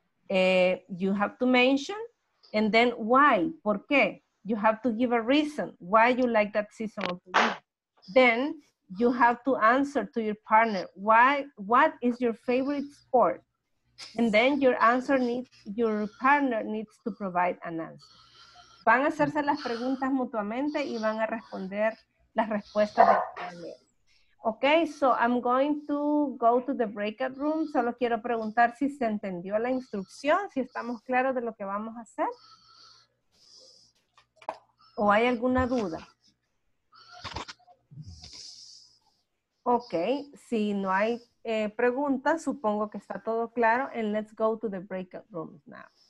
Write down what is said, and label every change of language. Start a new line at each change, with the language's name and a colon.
English: You have to mention, and then why,
Spanish: por qué?
English: You have to give a reason why you like that season of the year. Then you have to answer to your partner, what is your favorite sport? And then your partner needs to provide an answer.
Spanish: Van a hacerse las preguntas mutuamente y van a responder las respuestas de ustedes.
English: Ok, so I'm going to go to the breakout room.
Spanish: Solo quiero preguntar si se entendió la instrucción, si estamos claros de lo que vamos a hacer. ¿O hay alguna duda? Ok, si no hay preguntas, supongo que está todo claro.
English: And let's go to the breakout room now.